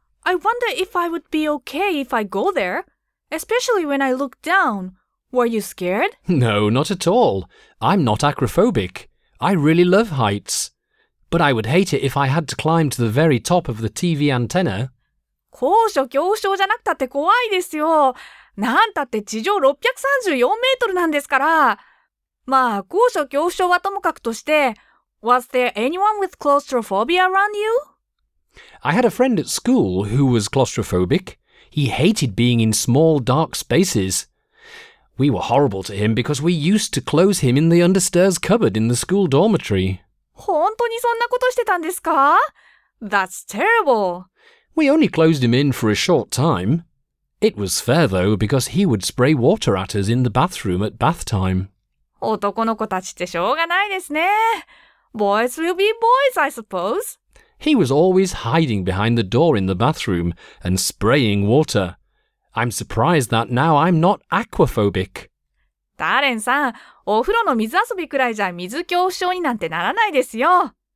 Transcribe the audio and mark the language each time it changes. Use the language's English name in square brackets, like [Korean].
[English] I wonder if I would be okay if I go there, especially when I look down. Were you scared? No, not at all. I'm not acrophobic. I really love heights. But I would hate it if I had to climb to the very top of the TV antenna. [Japanese] 高所恐怖症じゃなくたって怖いですよ。なんたって地上634メートルなんですから。まあ、高所恐怖症はともかくとして、 [English] Was there anyone with claustrophobia around you? I had a friend at school who was claustrophobic. He hated being in small, dark spaces. We were horrible to him because we used to close him in the understairs cupboard in the school dormitory. [Japanese] 本当にそんなことしてたんですか? [English] That's terrible. We only closed him in for a short time. It was fair though because he would spray water at us in the bathroom at bath time. [Japanese] 男の子たちってしょうがないですね。 [English] Boys will be boys, I suppose. He was always hiding behind the door in the bathroom and spraying water. I'm surprised that now I'm not aquaphobic. [Japanese] ダーレンさん、お風呂の水遊びくらいじゃ水恐怖症になんてならないですよ。